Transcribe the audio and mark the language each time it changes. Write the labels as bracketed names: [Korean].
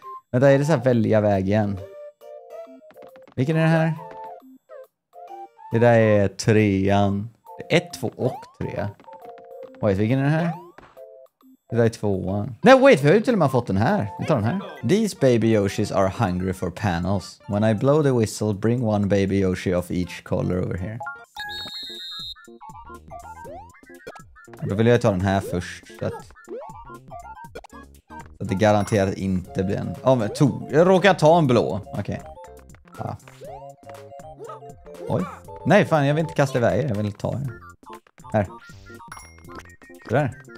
[Swedish] Vänta, är det så här välja väg igen? Vilken är det här? Det där är trean. 1, 2 och 3. Wait, vilken är det här? Det där är tvåan. Nej, wait, vi har ju till och med fått den här. Vi tar den här. [English] These baby Yoshis are hungry for panels. When I blow the whistle, bring one baby Yoshi of each color over here. [Swedish] Då vill jag ta den här först, så att det garanterat inte blir en... Ja, men jag råkar ta en blå. Okej. Okay. Ah. Oj. Nej, fan, jag vill inte kasta iväg. Jag vill ta den. Här. Sådär.